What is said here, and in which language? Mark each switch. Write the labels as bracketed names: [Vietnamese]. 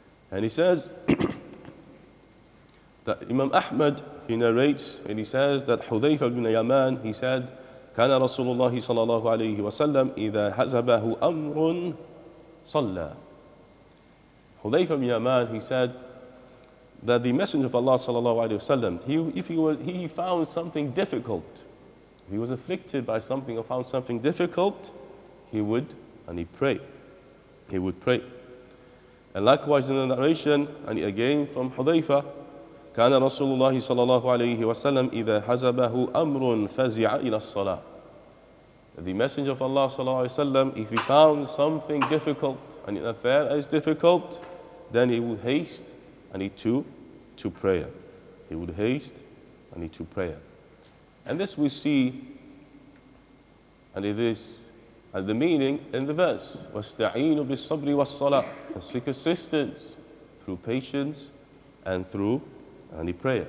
[English] And he says that Imam Ahmad, he narrates, and he says that Hudhayfa ibn Yaman, he said, [Arabic] كَانَ رَسُولُ اللَّهِ صَلَى اللَّهُ عَلَيْهِ وَسَلَّمْ إِذَا حَزَبَهُ أَمْرٌ صَلَّى. [English] Hudhayfa ibn Yaman, he said, that the Messenger of Allah sallallahu alayhi wa sallam, if he found something difficult, if he was afflicted by something or found something difficult, he would pray. He would pray. And likewise in the narration, again from Hudhayfa, [Arabic] كَانَ رَسُولُ اللَّهِ صَلَى اللَّهُ عَلَيْهِ وَسَلَّمْ إِذَا حَزَبَهُ أَمْرٌ فَزِعَ إِلَى الصَّلَاةِ. [English] The Messenger of Allah sallallahu alayhi wa sallam, if he found something difficult, an affair is difficult, then he would haste to prayer. He would haste to prayer. And this we see the meaning in the verse, [Arabic] وَاسْتَعِينُ بِالصَّبْرِ وَالصَّلَاةِ, [English] and seek assistance through patience and through prayer.